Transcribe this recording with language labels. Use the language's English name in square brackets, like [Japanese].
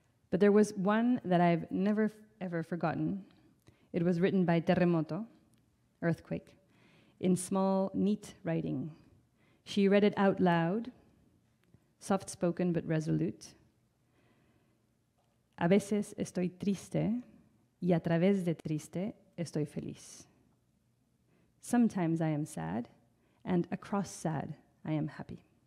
[English] But there was one that I've never, ever forgotten. It was written by Terremoto, Earthquake, in small, neat writing. She read it out loud, soft-spoken but resolute. [Spanish] A veces estoy triste, y a través de triste estoy feliz. [English] Sometimes I am sad, and across sad I am happy.